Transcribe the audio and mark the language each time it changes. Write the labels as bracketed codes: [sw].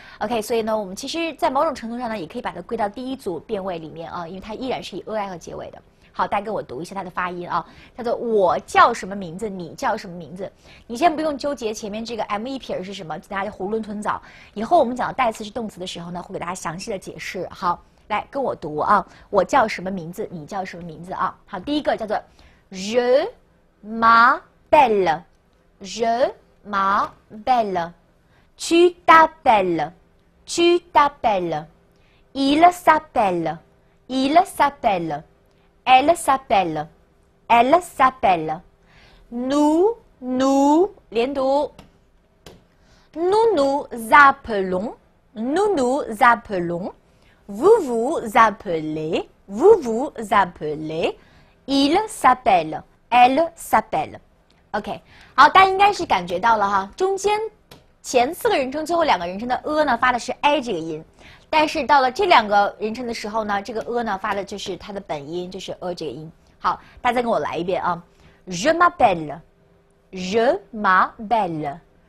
[zh] OK， 所以呢，我们其实在某种程度上呢，也可以把它归到第一组变位里面啊，因为它依然是以 a i 和结尾的。好，大家跟我读一下它的发音啊，叫做我叫什么名字，你叫什么名字。你先不用纠结前面这个 m 一撇是什么，大家囫囵吞枣。以后我们讲到代词是动词的时候呢，会给大家详细的解释。好。来跟我读啊！我叫什么名字？你叫什么名字啊？好，第一个叫做 [fr] Je m'appelle， Je m'appelle， Tu t'appelles， Tu t'appelles， Il s'appelle， Il s'appelle， Elle s'appelle， Elle s'appelle， Nous 连读， Nous nous appelons。 Vous vous appelez, vous vous appelez, il s'appelle, elle s'appelle. [zh] OK， 好，大家应该是感觉到了哈，中间前四个人称最后两个人称的 a 呢发的是 a 这个音，但是到了这两个人称的时候呢，这个 a 呢发的就是它的本音，就是 a 这个音。好，大家再跟我来一遍啊 ， [fr] Je m'appelle, je m'appelle,